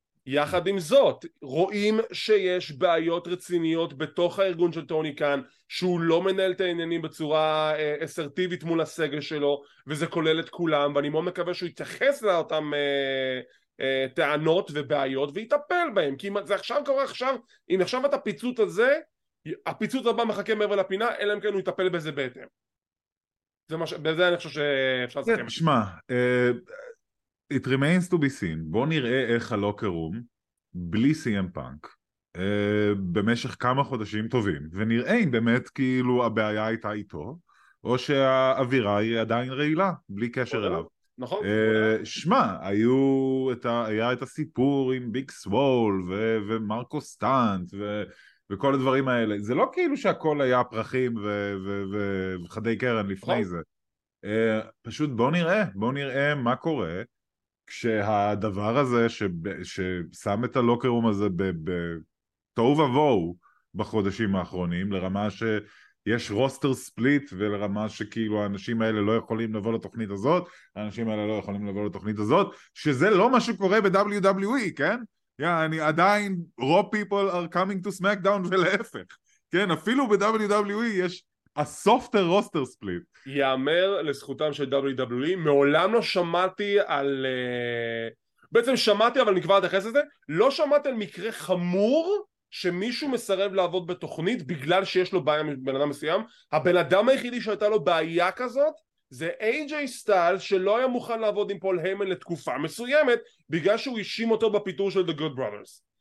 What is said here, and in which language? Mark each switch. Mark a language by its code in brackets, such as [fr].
[he] יחד עם זאת, רואים שיש בעיות רציניות בתוך הארגון של טוני קאן, שהוא לא מנהל את העניינים בצורה אסרטיבית מול הסגל שלו, וזה כולל את כולם, ואני מאוד מקווה שהוא יתייחס לאותם טענות ובעיות, ויתפל בהם, כי אם זה עכשיו קורה עכשיו, אם עכשיו את הפיצוץ הזה, הפיצוץ הבא מחכה מעבר לפינה, אלא אם כן הוא יתפל בזה בהתאם. בזה אני חושב שאפשר לסכם. שמע, [en] it remains to be seen. [he] בוא נראה איך הלוקר רום בלי CM Punk במשך כמה חודשים טובים, ונראה אם באמת כאילו הבעיה הייתה איתו, או שהאווירה היא עדיין רעילה בלי קשר אליו. נכון. שמה, היה את הסיפור עם ביג סוול ומרקו סטנט וכל הדברים האלה. זה לא כאילו שהכל היה פרחים וחדי קרן לפני זה. פשוט בוא נראה מה קורה כשהדבר הזה ששם את הלוקרום הזה בטוב אבוהו בחודשים האחרונים, לרמה שיש רוסטר ספליט, ולרמה שכאילו האנשים האלה לא יכולים לבוא לתוכנית הזאת, האנשים האלה לא יכולים לבוא לתוכנית הזאת, שזה לא מה שקורה ב-WWE, כן? אני עדיין, [en] raw people are coming to smackdown [he] ולהפך, כן? אפילו ב-WWE יש [en] a softer roster split. [he] יאמר לזכותם של WWE, מעולם לא שמעתי על, בעצם שמעתי, אבל אני כבר אתייחס לזה, לא שמעתי על מקרה חמור שמישהו מסרב לעבוד בתוכנית בגלל שיש לו בעיה בן אדם מסוים. הבן אדם היחידי שהייתה לו בעיה כזאת זה AJ סטיילס, שלא היה מוכן לעבוד עם פול היימן לתקופה מסוימת בגלל שהוא אישים אותו בפיתור של The Good Brothers.